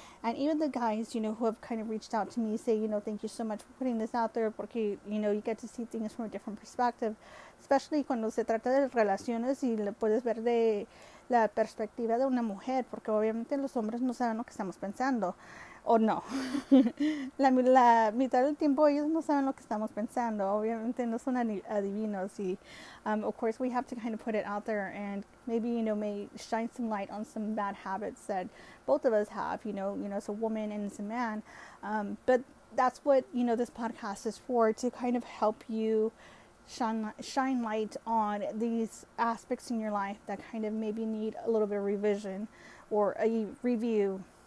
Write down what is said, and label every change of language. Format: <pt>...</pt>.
<en>And even the guys, you know, who have kind of reached out to me say, you know, thank you so much for putting this out there porque, you know, you get to see things from a different perspective.</en> <es>Especially cuando se trata de relaciones y le puedes ver de la perspectiva de una mujer, porque obviamente los hombres no saben lo que estamos pensando. O no, la mitad del tiempo ellos no saben lo que estamos pensando, obviamente no son adivinos</es> <en>y of course we have to kind of put it out there and maybe, you know, may shine some light on some bad habits that both of us have, you know, as a woman and as a man, but that's what, you know, this podcast is for, to kind of help you shine light on these aspects in your life that kind of maybe need a little bit of revision or a review.</en>